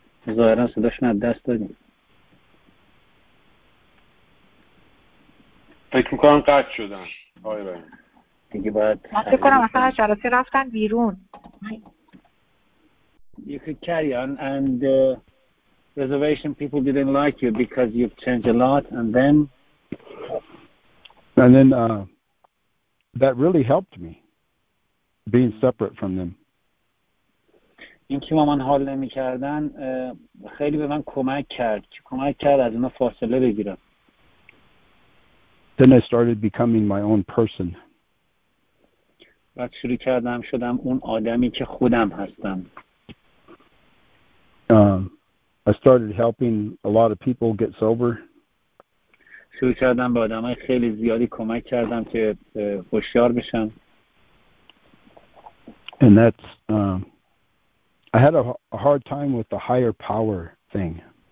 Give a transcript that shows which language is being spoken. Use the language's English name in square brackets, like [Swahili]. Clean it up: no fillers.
[Persian] ظاهرا صداش من دست دادیم. فکر میکنم قطع شدن. آقای بریم. دیگه باید فکر کنم مثلا از جلسه رفتن بیرون. [English] You could carry on and reservation people didn't like you because you've changed a lot and then that really helped me being separate from them. [Persian] این که مامان حال نمی کردن خیلی به من کمک کرد از اونا فاصله بگیرم. [English] Then I started becoming my own person. [Persian] بعد شروع کردم شدم اون آدمی که خودم هستم. [English] I started helping a lot of people get sober. [Persian] شروع کردم به آدم های خیلی زیادی کمک کردم که هوشیار بشن. [English] And that's... I had a hard time with the higher power thing.